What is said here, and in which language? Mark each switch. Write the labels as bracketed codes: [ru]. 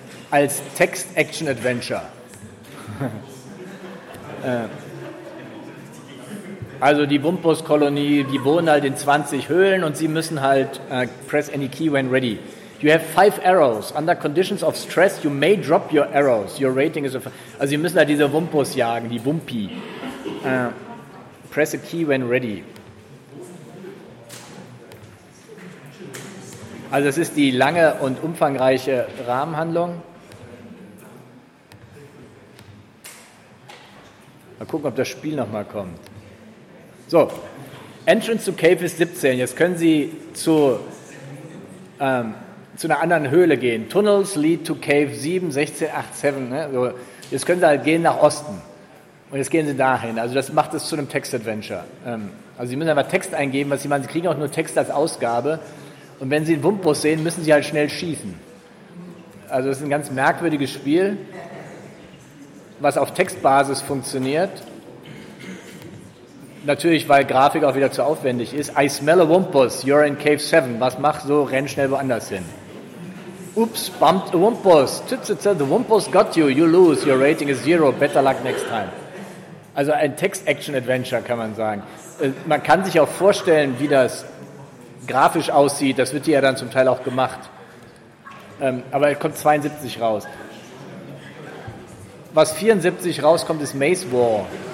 [de] Als Text-Action-Adventure. Also die Wumpus-Kolonie, die wohnen halt in 20 Höhlen und sie müssen halt [en] press any key when ready. You have 5 arrows. Under conditions of stress, you may drop your arrows. Your rating is... [de] Also sie müssen halt diese Wumpus jagen, die Wumpi. [en] Press a key when ready. [de] Also es ist die lange und umfangreiche Rahmenhandlung. Mal gucken, ob das Spiel nochmal kommt. So, [en] Entrance to Cave [de] ist 17. Jetzt können Sie zu einer anderen Höhle gehen. [en] Tunnels lead to Cave 7, 16, 8, 7. [de] Ne? So, jetzt können Sie halt gehen nach Osten. Und jetzt gehen Sie dahin. Also das macht es zu einem Text-Adventure. Also Sie müssen einfach Text eingeben, was Sie machen. Sie kriegen auch nur Text als Ausgabe. Und wenn Sie einen Wumpus sehen, müssen Sie halt schnell schießen. Also das ist ein ganz merkwürdiges Spiel, was auf Textbasis funktioniert. Natürlich, weil Grafik auch wieder zu aufwendig ist. [en] I smell a Wumpus, you're in Cave 7. [de] Was mach so, renn schnell woanders hin. [en] Oops, bumped a Wumpus. The Wumpus got you, you lose. Your rating is zero, better luck next time. [de] Also ein Text-Action-Adventure, kann man sagen. Man kann sich auch vorstellen, wie das grafisch aussieht. Das wird ja dann zum Teil auch gemacht. Aber es kommt 72 raus. Was 74 rauskommt, ist Maze War.